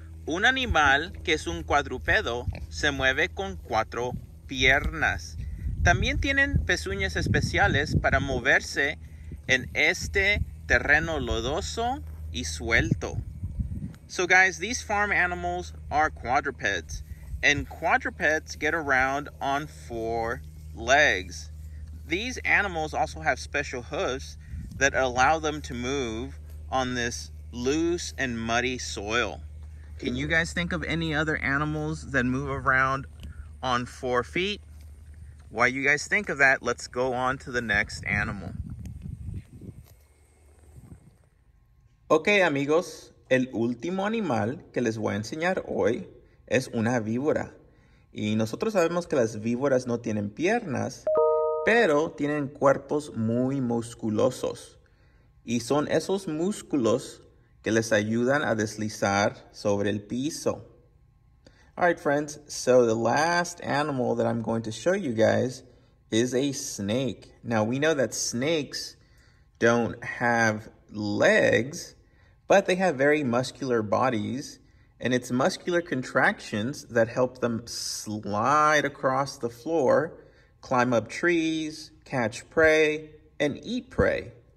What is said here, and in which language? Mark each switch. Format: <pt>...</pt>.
<es>Un animal que es un cuadrúpedo se mueve con cuatro piernas. También tienen pezuñas especiales para moverse en este terreno lodoso y suelto.</es> <en>So guys, these farm animals are quadrupeds, and quadrupeds get around on four legs. These animals also have special hooves that allow them to move on this loose and muddy soil. Can you guys think of any other animals that move around on 4 feet? While you guys think of that, let's go on to the next animal.</en> <es>Okay, amigos, el último animal que les voy a enseñar hoy es una víbora. Y nosotros sabemos que las víboras no tienen piernas, pero tienen cuerpos muy musculosos. Y son esos músculos que les ayudan a deslizar sobre el piso.</es> <en>Alright friends, so the last animal that I'm going to show you guys is a snake. Now we know that snakes don't have legs, but they have very muscular bodies, and it's muscular contractions that help them slide across the floor, climb up trees, catch prey, and eat prey.</en>